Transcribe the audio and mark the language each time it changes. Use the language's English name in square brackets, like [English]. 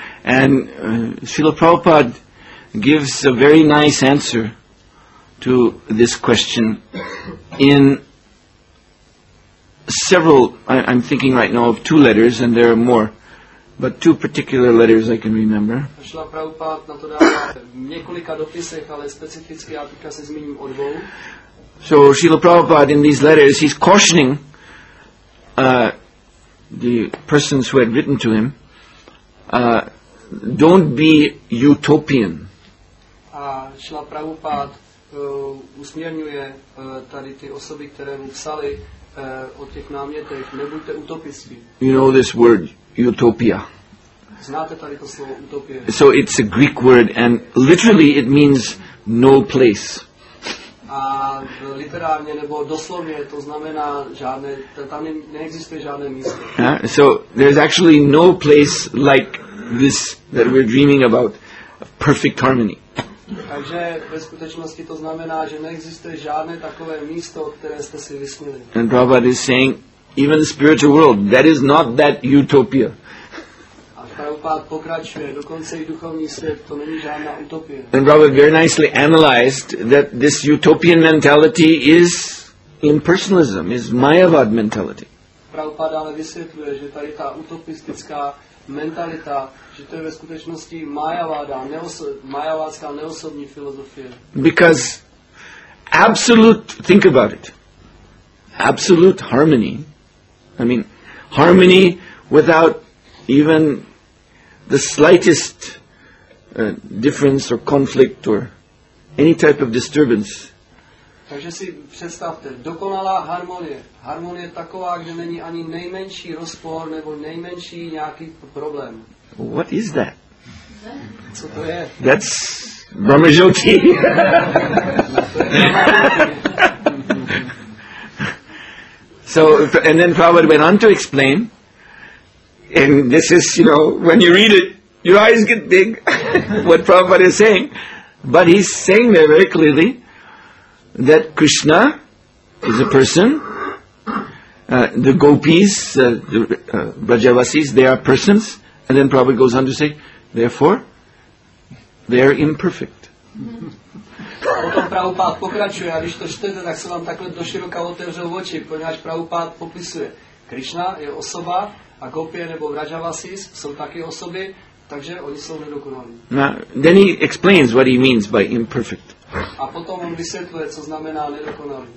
[English] And Srila Prabhupada gives a very nice answer to this question in several, I'm thinking right now of two letters, and there are more, but two particular letters I can remember. [Czech] Srila Prabhupada na to dává v několika dopisech, ale specificky já teďka se zmíním o dvou. [English] So Srila Prabhupada in these letters, he's cautioning the persons who had written to him, don't be utopian. [Czech] Šila Prabhupád usměrňuje tady ty osoby, které mu psali o těch námětech, nebuďte utopisti. [English] You know this word, utopia. [Czech] Znáte tady to slovo utopie. [English] So it's a Greek word and literally it means no place. [Czech] A literárně nebo doslovně to znamená žádné, tam neexistuje žádné místo. [English] So there's actually no place like this that we're dreaming about. Perfect harmony. [Czech] Takže ve skutečnosti to znamená, že neexistuje žádné takové místo, které jste si vysnili. [English] And Prabhupada is saying, even the spiritual world, that is not that utopia. [Czech] A Prabhupada pokračuje, dokonce i duchovní svět, to není žádná utopie. [English] And Prabhupada very nicely analyzed that this utopian mentality is impersonalism, is Mayavad mentality. [Czech] Prabhupada ale vysvětluje, že tady ta utopistická mentalita, že to je ve skutečnosti Mayavada, mayavadská neosobní filozofie. [English] Because absolute, think about it, absolute harmony, I mean, harmony without even the slightest difference or conflict or any type of disturbance. [Czech] Takže si představte, dokonalá harmonie. Harmonie taková, kde není ani nejmenší rozpor nebo nejmenší nějaký problém. [English] What is that? [Czech] Co to je? [English] That's Brahmajyoti. So, and then Prabhupada went on to explain, and this is, you know, when you read it, your eyes get big, what Prabhupada is saying. But he's saying there very clearly, that Krishna is a person, the gopis, the Brajavasis, they are persons, and then Prabhupada goes on to say, therefore, they are imperfect. [Czech] Potom Prabhupád pokračuje, a když to čtete, tak se vám takhle do široka otevřel oči, poněvadž Prabhupád popisuje, Krishna je osoba, a gopie nebo Brajavasis jsou taky osoby, takže oni jsou nedokonalí. [English] Now, then he explains what he means by imperfect. [Czech] A potom on vysvětluje, co znamená nedokonalý.